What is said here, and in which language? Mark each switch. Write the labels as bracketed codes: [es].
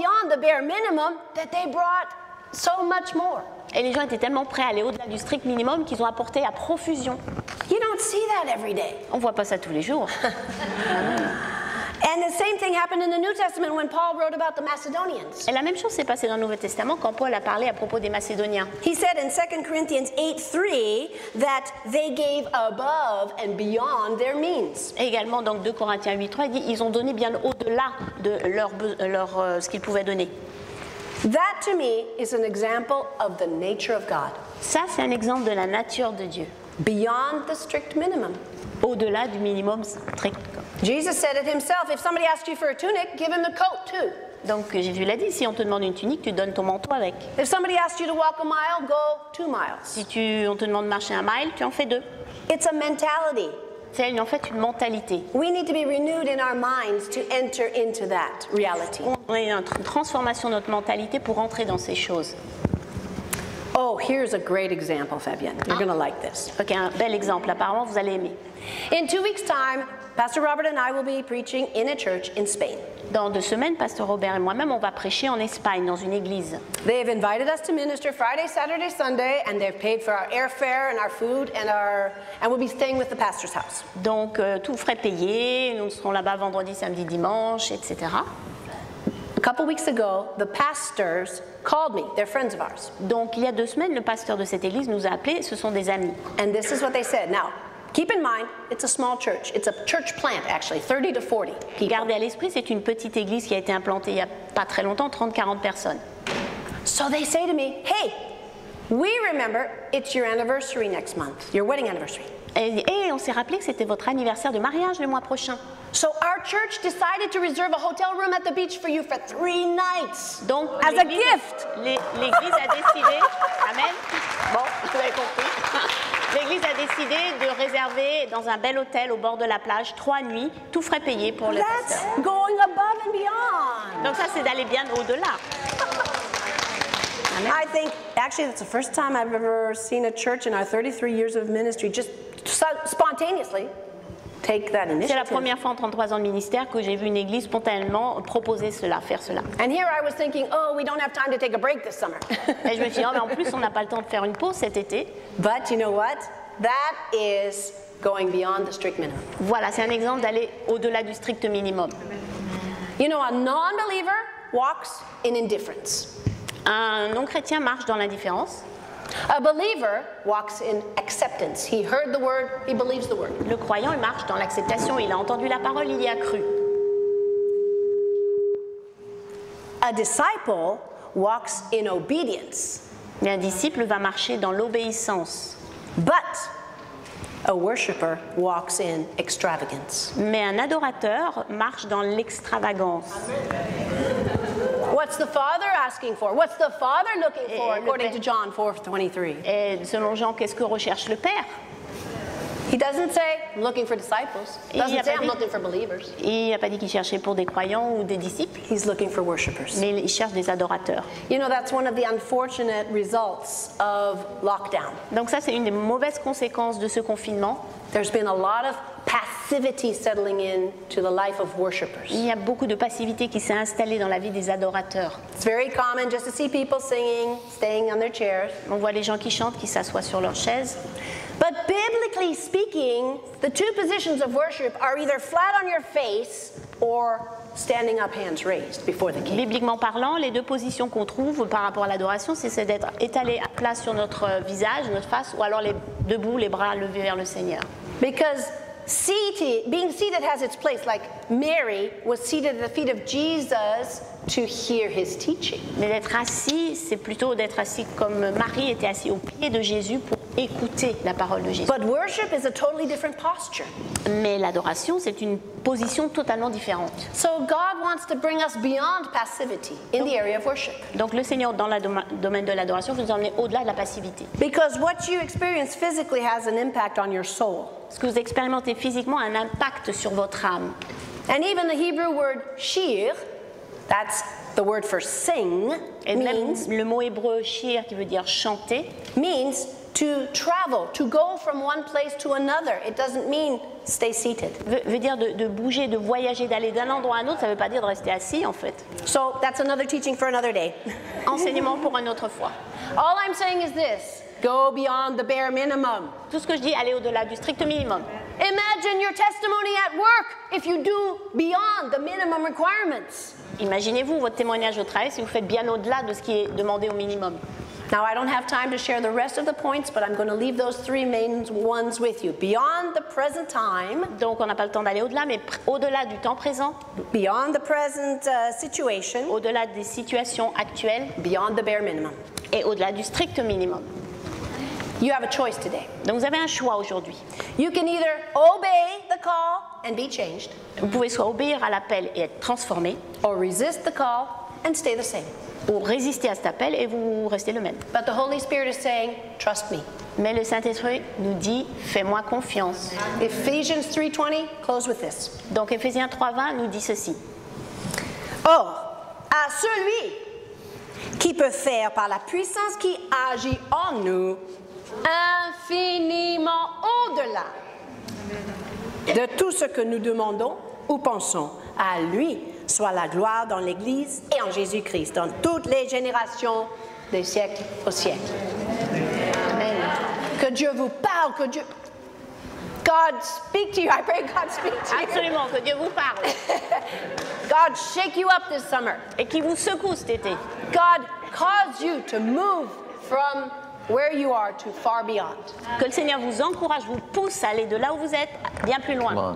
[en] the bare minimum that they brought so much more. [fr] Et les gens étaient tellement prêts à aller au-delà du strict minimum qu'ils ont apporté à profusion. [en] You don't see that every day. [fr] On voit pas ça tous les jours. [en] And the same thing happened in the New Testament when Paul wrote about the Macedonians. [fr] Et la même chose s'est passée dans le Nouveau Testament quand Paul a parlé à propos des Macédoniens. [en] He said in 2 Corinthians 8:3 that they gave above and beyond their means. [fr] Et également donc 2 Corinthiens 8:3 dit ils ont donné bien au-delà de ce qu'ils pouvaient donner. [en] That to me is an example of the nature of God. [fr] Ça c'est un exemple de la nature de Dieu. [en] Beyond the strict minimum. [fr] Au-delà du minimum strict. [en] Jesus said it himself, if somebody asks you for a tunic, give him the coat too. [fr] Donc Jésus l'a dit, si on te demande une tunique, tu donnes ton manteau avec. [en] If somebody asks you to walk a mile, go 2 miles. [fr] Si on te demande de marcher 1 mile, tu en fais 2. [en] It's a mentality. [fr] C'est en fait une mentalité. [en] We need to be renewed in our minds to enter into that reality. [fr] On a une transformation de notre mentalité pour entrer dans ces choses. [en] Oh, here's a great example, Fabienne. You're going to like this. [fr] OK, un bel exemple. Apparemment, vous allez aimer. [en] In 2 weeks' time, Pastor Robert and I will be preaching in a church in Spain. [fr] Dans 2 semaines, Pasteur Robert et moi-même, on va prêcher en Espagne, dans une église. [en] They have invited us to minister Friday, Saturday, Sunday, and they've paid for our airfare and our food and we'll be staying with the pastor's house. [fr] Donc, tout frais payé, nous serons là-bas vendredi, samedi, dimanche, etc. [en] A couple weeks ago, the pastors called me. They're friends of ours. [fr] Donc, il y a 2 semaines, le pasteur de cette église nous a appelés. Ce sont des amis. [en] And this is what they said. Now, keep in mind, it's a small church. It's a church plant, actually, 30 to 40 people. [fr] Gardez à l'esprit, c'est une petite église qui a été implantée il y a pas très longtemps, 30-40 personnes. [en] So they say to me, hey, we remember it's your anniversary next month, your wedding anniversary. [fr] Et on s'est rappelé que c'était votre anniversaire de mariage le mois prochain. [en] So our church decided to reserve a hotel room at the beach for you for 3 nights. [fr] Donc, [en] as a gift. [fr] L'église a décidé, amen. Bon, vous avez compris. L'église a décidé de réserver dans un bel hôtel au bord de la plage 3 nuits, tout frais payé pour le pasteur. [en] That's going above and beyond. [fr] Donc ça, c'est d'aller bien au-delà. [en] Amen. I think, actually, that's the first time I've ever seen a church in our 33 years of ministry just spontaneously take that initiative. [fr] C'est la première fois en 33 ans de ministère que j'ai vu une église spontanément proposer cela, faire cela. [en] And here I was thinking, oh, we don't have time to take a break this summer. [fr] Et je me suis dit, oh, mais en plus, on n'a pas le temps de faire une pause cet été. [en] But you know what? That is going beyond the strict minimum. [fr] Voilà, c'est un exemple d'aller au-delà du strict minimum. [en] You know, a non-believer walks in indifference. [fr] Un non-chrétien marche dans l'indifférence. [en] A believer walks in acceptance. He heard the word, he believes the word. [fr] Le croyant, il marche dans l'acceptation. Il a entendu la parole, il y a cru. [en] A disciple walks in obedience. [fr] Mais un disciple va marcher dans l'obéissance. [en] But a worshipper walks in extravagance. [fr] Mais un adorateur marche dans l'extravagance. [en] What's the Father asking for? What's the Father looking for, according to John 4:23? [fr] Et selon Jean, qu'est-ce que recherche le Père? [en] He doesn't say, looking for disciples. He doesn't say, I'm looking for believers. [fr] Il n'a pas dit qu'il cherchait pour des croyants ou des disciples. [en] He's looking for worshipers. [fr] Mais il cherche des adorateurs. [en] You know, that's one of the unfortunate results of lockdown. [fr] Donc ça, c'est une des mauvaises conséquences de ce confinement. [en] There's been a lot of passivity settling in to the life of worshipers. [fr] Il y a beaucoup de passivité qui s'est installée dans la vie des adorateurs. [en] It's very common just to see people singing, staying on their chairs. [fr] On voit les gens qui chantent, qui s'assoient sur leurs chaises. [en] But biblically speaking, the two positions of worship are either flat on your face or standing up, hands raised before the king. [fr] Bibliquement parlant, les deux positions qu'on trouve par rapport à l'adoration, c'est d'être étalé à plat sur notre visage, notre face, ou alors debout, les bras levés vers le Seigneur. [en] Because being seated has its place, like Mary was seated at the feet of Jesus to hear his teaching. [fr] Mais d'être assis, c'est plutôt d'être assis comme Marie était assise aux pieds de Jésus pour écouter la parole de Jésus. [en] But worship is a totally different posture. [fr] Mais l'adoration, c'est une position totalement différente. [en] So God wants to bring us beyond passivity in the area of worship. [fr] Donc le Seigneur, dans le domaine de l'adoration, veut nous emmener au-delà de la passivité. [en] Because what you experience physically has an impact on your soul. [fr] Ce que vous expérimentez physiquement a un impact sur votre âme. [en] And even the Hebrew word shir, that's the word for sing, [fr] et [en] means, [fr] même le mot hébreu shir qui veut dire chanter, [en] means to travel, to go from one place to another. It doesn't mean stay seated. [fr] Veut dire de bouger, de voyager, d'aller d'un endroit à un autre, ça veut pas dire de rester assis en fait. [en] So that's another teaching for another day. [fr] Enseignement pour une autre fois. [en] All I'm saying is this. Go beyond the bare minimum. [fr] Tout ce que je dis, allez au-delà du strict minimum. [en] Imagine your testimony at work if you do beyond the minimum requirements. [fr] Imaginez-vous votre témoignage au travail si vous faites bien au-delà de ce qui est demandé au minimum. [en] Now I don't have time to share the rest of the points, but I'm going to leave those three main ones with you. Beyond the present time. [fr] Donc on n'a pas le temps d'aller au-delà, mais au-delà du temps présent. [en] Beyond the present situation. [fr] Au-delà des situations actuelles. [en] Beyond the bare minimum. [fr] Et au-delà du strict minimum. [en] You have a choice today. [fr] Donc vous avez un choix aujourd'hui. [en] You can either obey the call and be changed. [fr] Vous pouvez soit obéir à l'appel et être transformé. [en] Or resist the call and stay the same. [fr] Ou résister à cet appel et vous restez le même. [en] But the Holy Spirit is saying, trust me. [fr] Mais le Saint-Esprit nous dit, fais-moi confiance. [en] Ephesians 3:20, close with this. [fr] Donc Ephésiens 3:20 nous dit ceci. Or, à celui qui peut faire par la puissance qui agit en nous, infiniment au-delà de tout ce que nous demandons ou pensons, à lui soit la gloire dans l'Église et en Jésus-Christ, dans toutes les générations, des siècles au siècle. Amen. Que Dieu vous parle, que Dieu... [en] God speak to you. I pray God speak to you. [fr] Absolument, que Dieu vous parle. [en] God shake you up this summer. [fr] Et qu'il vous secoue cet été. [en] God cause you to move from where you are to far beyond. [fr] Que le Seigneur vous encourage, vous pousse à aller de là où vous êtes, bien plus loin.